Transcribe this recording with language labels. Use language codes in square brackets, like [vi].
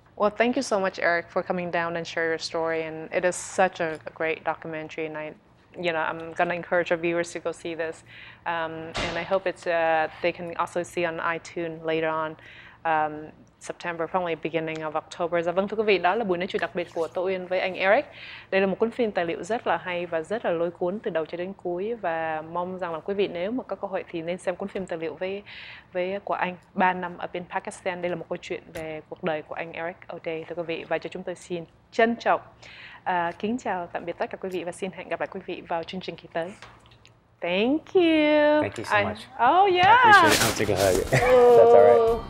[en] Well, thank you so much, Erik, for coming down and share your story. And it is such a great documentary, and I'm going to encourage our viewers to go see this. And I hope it's they can also see on iTunes later on, September, probably beginning of October. [vi] Dạ vâng, thưa quý vị, đó là buổi nói chuyện đặc biệt của Tô Uyên với anh Erik. Đây là một cuốn phim tài liệu rất là hay và rất là lôi cuốn từ đầu cho đến cuối. Và mong rằng là quý vị nếu mà có cơ hội thì nên xem cuốn phim tài liệu của anh 3 năm ở bên Pakistan. Đây là một câu chuyện về cuộc đời của anh Erik Audé, thưa quý vị. Và cho chúng tôi xin trân trọng. Kính chào tạm biệt tất cả quý vị và xin hẹn gặp lại quý vị vào chương trình kỳ tới. [en] Thank you. Thank you so much. Oh yeah. I appreciate it. I'll take a hug. That's all right.